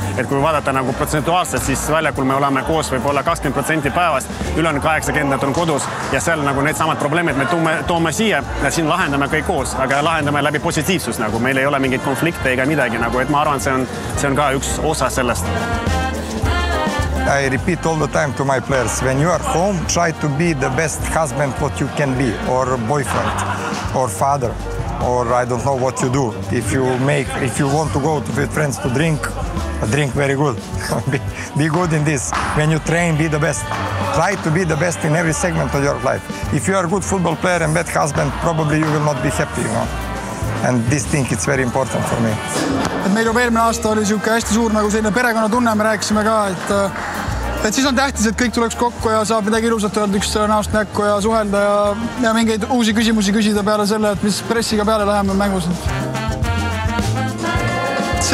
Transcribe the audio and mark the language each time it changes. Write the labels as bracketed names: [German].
[Estonian] Et kui vaadata nagu protsentuaalselt, siis väljakul me oleme koos võib-olla 20% päevast, üle on 80% on kodus ja seal nagu need samad probleemid me toome siia ja siin lahendame kõik koos, aga lahendame läbi positiivsus nagu, meil ei ole mingit konflikte ega midagi nagu, et ma arvan, see on ka üks osa sellest. [English] I repeat all the time to my players, when you are home, try to be the best husband what you can be, or boyfriend, or father, or I don't know what you do. If you want to go to your friends to drink very good. Be good in this. When you train, be the best. Try to be the best in every segment of your life. If you are a good football player and bad husband, probably you will not be happy, you know. And this thing is very important for me. [Estonian] Et meil juba eelmine aasta oli siuke hästi suur nagu selline perekonna tunne, me rääkisime ka, et siis on tähtis, et kõik tuleks kokku ja saab midagi ilusat öelda üks näost näkku ja suhelda ja mingeid uusi küsimusi küsida peale selle, et mis pressiga peale läheme mängus. See